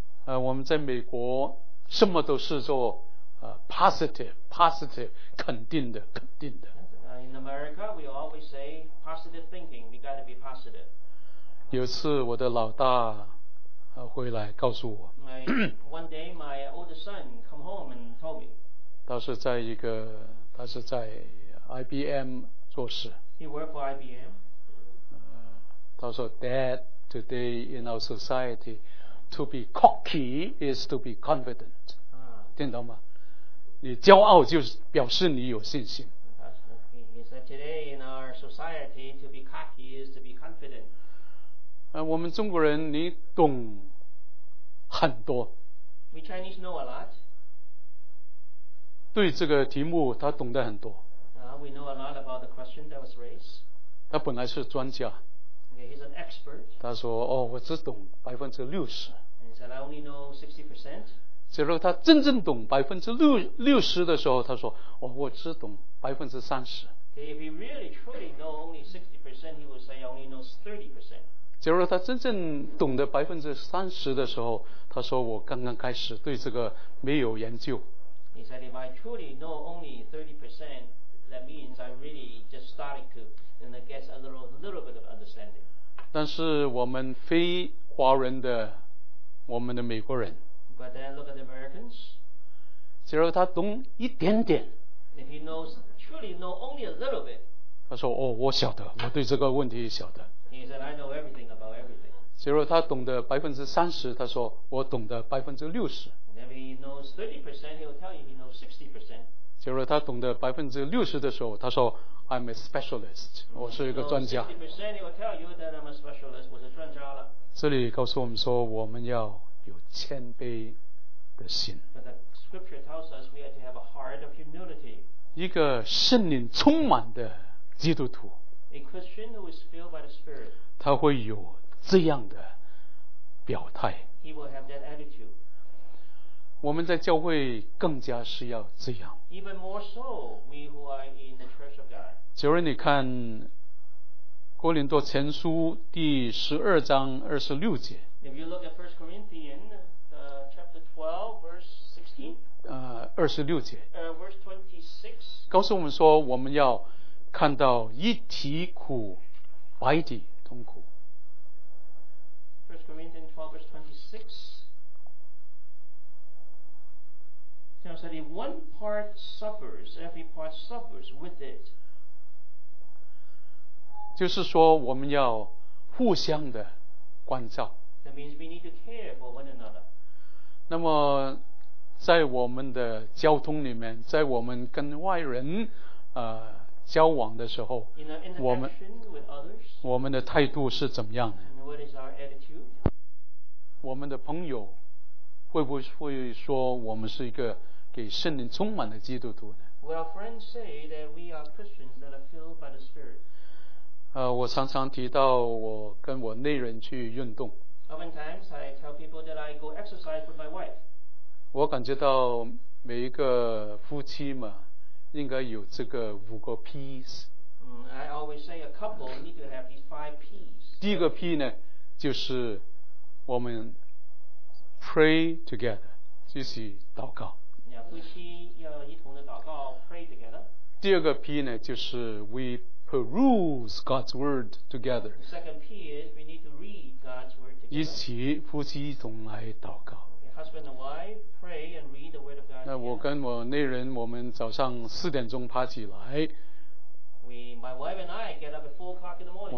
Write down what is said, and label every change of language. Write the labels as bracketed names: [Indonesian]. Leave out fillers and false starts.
[Chinese] 我们在美国什么都是做positive, 肯定的。 [English] In America, we always say positive thinking. We got to be positive. [Chinese] 有次我的老大回来告诉我。 [English] One day, my older son come home and told me. [Chinese] 他是在 IBM 做事。 [English] He worked for IBM. [Chinese] 他说 [English] ，Dad, today in our society, to be cocky is to be confident. [Chinese] 听到吗？你骄傲就是表示你有信心。 [English] Today in our society, to be cocky is to be confident. [Chinese] 我们中国人，你懂很多。 [English] We Chinese know a lot. [Chinese] 对这个题目，他懂得很多。 [English] We know a lot about the question that was raised. [Chinese] 他本来是专家。 [English] Okay, he's an expert. [Chinese] 他说，哦，我只懂60%。 [English] He said, I only know 60%. [Chinese] 结果他真正懂60%的时候，他说，哦，我只懂30%。 [English] If he really truly know only 60%, he would say only knows 30%. [Chinese] 假如他真正懂得30%的时候，他说我刚刚开始对这个没有研究。 [English] He said if I truly know only 30%, that means I really just started to, and I guess a little bit of understanding. [Chinese] 但是我们非华人的，我们的美国人。 [English] But then look at the Americans. [Chinese] 假如他懂一点点。 [English] If he knows, truly know only a little bit. [Chinese] 他说，哦，我晓得，我对这个问题晓得。 [English] He said, I know everything about everything. [Chinese] 结果他懂得30%，他说，我懂得60%。 [English] If he knows 30%, he'll tell you he knows 60%. [Chinese] 结果他懂得60%的时候，他说， [English] I'm a specialist, [Chinese] 我是一个专家。 [English] 60%, he'll tell you that I'm a specialist, [Chinese] 我是专家了。这里告诉我们说，我们要有谦卑的心。 [English] Scripture tells us we have to have a heart of humility. [Chinese] 一个圣灵充满的基督徒， [English] a Christian who is filled by the Spirit, [Chinese] 他会有这样的表态。 [English] He will have that attitude. [Chinese] 我们在教会更加是要这样。 [English] Even more so, we who are in the church of God. [Chinese] 假如你看哥林多前书第12:26。 [English] If you look at 1 Corinthians, chapter 12, verse [Chinese] 26节 [English] verse 26, [Chinese] 告诉我们说我们要看到一体苦百体同苦。 [English] 1 Corinthians 12 verse 26 tells that if one part suffers, every part suffers with it. [Chinese] 就是说我们要互相的关照。 [English] That means we need to care for one another. [Chinese] 那么在我们的交通里面，在我们跟外人交往的时候， [English] In our interaction with others, [Chinese] 我们的态度是怎么样的？ [English] What is our attitude? [Chinese] 我们的朋友会不会说我们是一个给圣灵充满的基督徒呢？ [English] Will our friends say that we are Christians that are filled by the Spirit? [Chinese] 我常常提到我跟我内人去运动。 [English] Oftentimes I tell people that I go exercise with my wife. [Chinese] 我感觉到每一个夫妻嘛，应该有这个5 P's。 [English] I always say a couple need to have these 5 P's. [Chinese] 第一个 P 呢，就是我们 [English] pray together， [Chinese] 一起祷告。 Yeah, 夫妻要一同的祷告 ， [English] pray together。 [Chinese] 第二个 P 呢，就是 [English] we peruse God's word together。 The second P is we need to read God's word together。 [Chinese] 一起夫妻一同来祷告。 [English] Husband and wife pray and read the word of God. [Chinese] 那我跟我内人，我们早上4:00爬起来。 [English] My wife and I get up at 4:00 in the morning.